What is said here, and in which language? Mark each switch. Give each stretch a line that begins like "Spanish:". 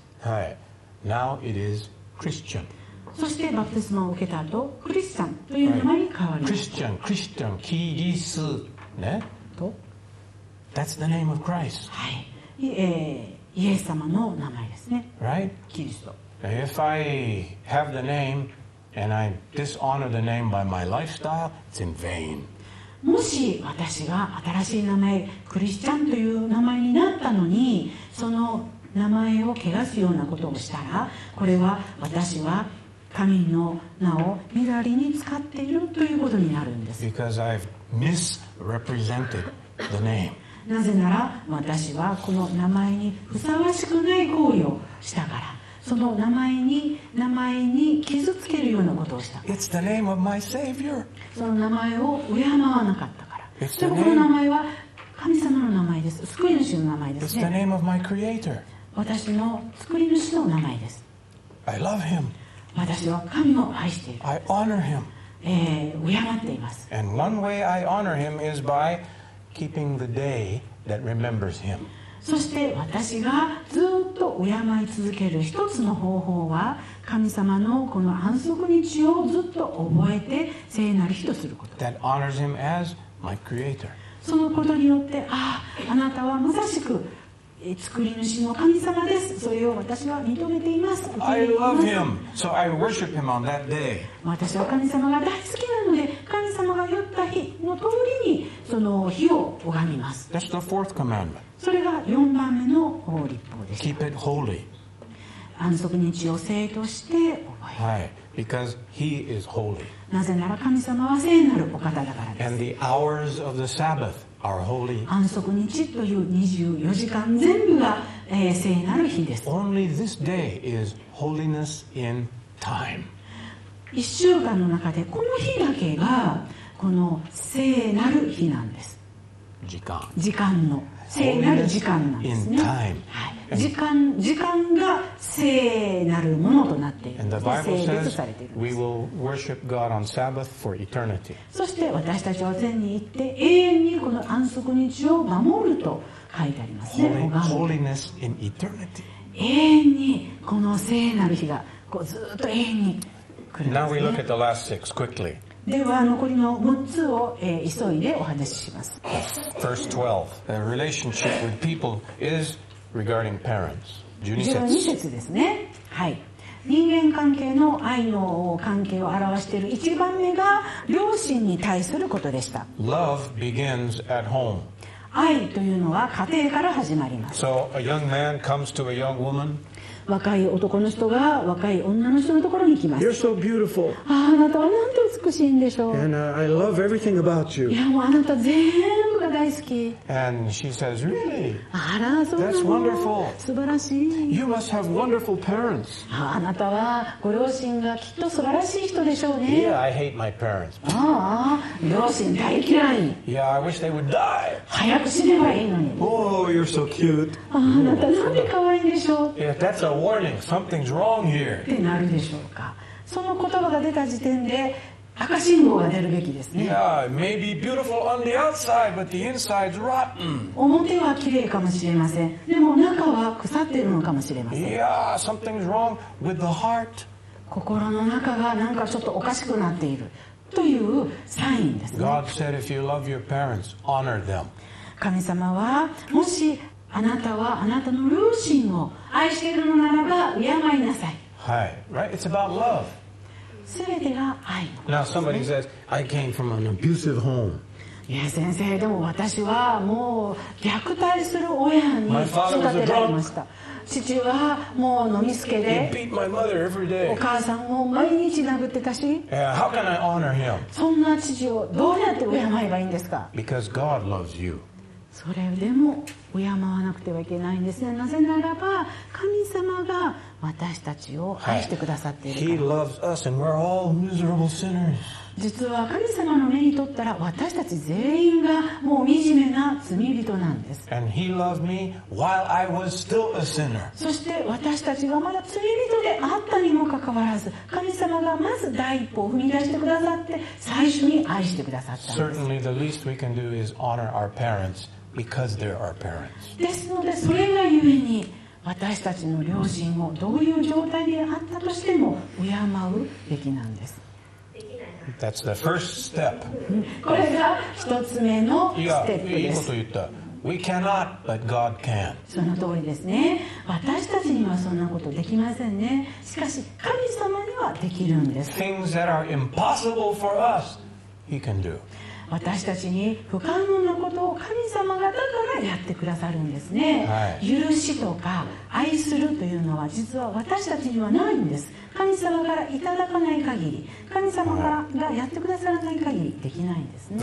English: はい。Now it is Christian.
Japanese: そしてバプテスマを受けた後クリスチャンという名前に変わりました。
English: Christian, Christian,
Japanese: キリス、ね、と
English: That's the name of Christ.
Japanese: はい、イエス様の名前ですね、
English: right?
Japanese: キリスト。
English: If I have the name and I dishonor the name by my lifestyle, it's in vain.
Japanese: もし私が新しい名前、クリスチャンという名前になったのに、その名前を汚すようなことをしたら、これは私は神の名をみだりに使っているということになるんです。
English: Because I've misrepresented the name.
Japanese: なぜなら私はこの名前にふさわしくない行為をしたから、その名前に傷つけるようなことをした。
English: It's the name of my Savior.
Japanese: その名前を敬わなかったから。でもこの名前は神様の名前です。救い主の名前ですね。
English: It's the name of my Creator.
Japanese: 私の作り主の名前です。
English: I love him.
Japanese: 私は神を愛している。
English: I honor him.
Japanese: 敬っています。
English: And one way I honor him is by keeping the day that remembers him.
Japanese: そして私がずっと敬い続ける一つの方法は、神様のこの安息日をずっと覚えて聖なる日とすること。
English: That honors him as my creator.
Japanese: そのことによって、あなたはまさしく作り主の神様です、それを私は認めています。
English: I love him, so I worship him on that day.
Japanese: 私は神様が大好きなので、神様が言った日の通りにその日を拝みます。
English: That's the fourth commandment.
Japanese: それが4番目の法律法です。
English: Keep it holy.
Japanese: 安息日を聖として覚える。
English: はい、because he is holy.
Japanese: なぜなら神様は聖なるお方だからです。
English: And the hours of the Sabbath are holy.
Japanese: 安息日という24時間全部が、聖なる日です。
English: Only this day is holiness in time.
Japanese: 1週間の中でこの日だけがこの聖なる日なんです。時間の。聖なる時間なんですね、はい、時間が聖なるものとなっている。
English: And the Bible says,
Japanese: 聖別されているんです。
English: We will worship God on Sabbath for eternity.
Japanese: そして私たちは天に行って永遠にこの安息日を守ると書いてありますね。
English: Holiness in eternity.
Japanese: 永遠にこの聖なる日がこうずっと永遠に来るんですね。
English: Now we look at the last six quickly.
Japanese: では残りの6つを、急いでお話しします。
English: First 12, the relationship with people is regarding parents.
Japanese: 12節ですね。はい。人間関係の愛の関係を表している一番目が両親に対することでした。
English: Love begins at home.
Japanese: 愛というのは家庭から始まります。
English: So a young man comes to a young woman.
Japanese: 若い男の人が若い女の人のところに行きます。
English: You're so beautiful.
Japanese: あなたはなんて美しいんでしょう。
English: And, I love everything about you.
Japanese: いやもうあなた全部が大好き。
English: And she says, really?
Japanese: あらそうなの。
English: That's wonderful.
Japanese: 素晴らしい。
English: You must have wonderful parents.
Japanese: あなたはご両親がきっと素晴らしい人でしょうね。
English: Yeah, I hate my parents.
Japanese: ああ、両親大嫌い。
English: Yeah, I wish they would die.
Japanese: 早く死ねばいいのに。
English: Oh, you're so cute.
Japanese: あなたなんて可愛いんでしょう。
English: Yeah, that's aWarning, something's wrong here.
Japanese: ってなるでしょうか。その言葉が出た時点で赤信号が出るべきですね。
English: Yeah, maybe beautiful on the outside, but the inside's rotten.
Japanese: 表は綺麗かもしれません。でも中は腐っているのかもしれません。
English: Yeah, something's wrong with the heart.
Japanese: 心の中がなんかちょっとおかしくなっているというサインですね。
English: God said, if you love your parents, honor them.
Japanese: 神様はもしあなたはあなたの両親を愛しているのならば敬いなさい。
English: はい、right? It's about love.
Japanese: 全てが愛のことです
English: ね。Now somebody says, I came from an abusive home.
Japanese: いや先生、でも私はもう虐待する親に育てられました。
English: My father was a drunk.
Japanese: 父はもう飲みつけで、
English: He beat my mother every day.
Japanese: お母さんを毎日殴ってたし、
English: Yeah, how can I honor him?
Japanese: そんな父をどうやって敬えばいいんですか。
English: Because God loves you.
Japanese: それでも敬わなくてはいけないんですね。なぜならば神様が私たちを愛してくださっているから、はい、実は神様の目にとったら私たち全員がもう惨めな罪人なんです。
English: And he loved me while I was still a sinner.
Japanese: そして私たちがまだ罪人であったにもかかわらず、神様がまず第一歩を踏み出してくださって最初に愛してくださったんです。
English: Certainly the least we can do is honor our parents because they're our parents.
Japanese: ですのでそれがゆえに私たちの両親をどういう状態であったとしても敬うべきなんです。
English: That's the first step.
Japanese: これが一つ目のステップです。いいこと言った。
English: We cannot, but God can.
Japanese: その通りですね。私たちにはそんなことできませんね。しかし神様にはできるんです。
English: Things that are impossible for us, He can do.
Japanese: 私たちに不可能なことを神様がだからやってくださるんですね、はい、許しとか愛するというのは実は私たちにはないんです。神様からいただかない限り、神様がやってくださらない限りできないんですね。